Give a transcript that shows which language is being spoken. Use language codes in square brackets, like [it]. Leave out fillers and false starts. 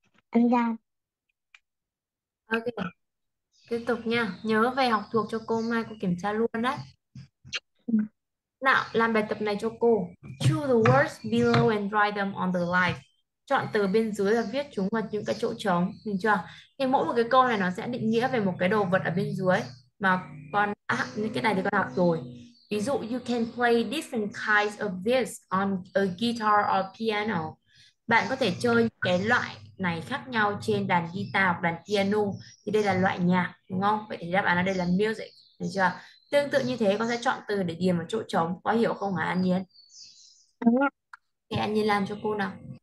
[vi] Anh ra. Ok, tiếp tục nha. Nhớ về học thuộc cho cô, mai cô kiểm tra luôn đấy. Nào, làm bài tập này cho cô. [en] Choose the words below and write them on the line. [vi] Chọn từ bên dưới và viết chúng vào những cái chỗ trống. Được chưa? Thì mỗi một cái câu này nó sẽ định nghĩa về một cái đồ vật ở bên dưới. Mà con những cái này thì con học rồi. Ví dụ, [en] you can play different kinds of this on a guitar or piano. [vi] Bạn có thể chơi cái loại này khác nhau trên đàn guitar hoặc đàn piano, thì đây là loại nhạc đúng không? Vậy thì đáp án ở đây là music, được chưa? Tương tự như thế con sẽ chọn từ để điền vào chỗ trống, có hiểu không hả An Nhiên? Thì An Nhiên làm cho cô nào.